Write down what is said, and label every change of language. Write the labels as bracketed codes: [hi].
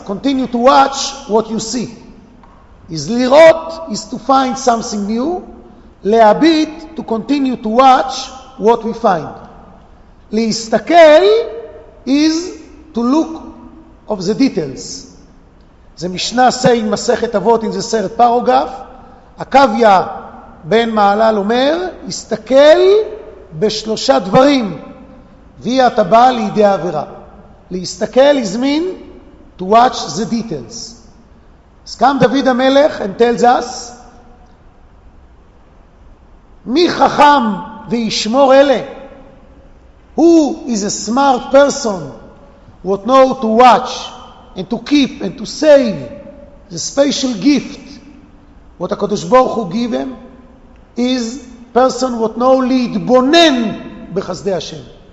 [en] Continue to watch what you see. Is לראות is to find something new. להביט, to continue to watch what we find. להסתכל is to look of the details. [he] The משנה [en] say in [he] מסכת אבות [en] in the third paragraph, [he] עקביה בן מהלל אומר, הסתכל בשלושה דברים, והיא אתה בא לידי העבירה. [en] להסתכל is mean to watch the details. [he] אז קם דוד המלך [en] and tells us, [he] מי חכם וישמור אלה? [en] Who is a smart person what know to watch and to keep and to save the special gift what הקדוש ברוך הוא give him? Is person what know [he] להתבונן בחסדי השם.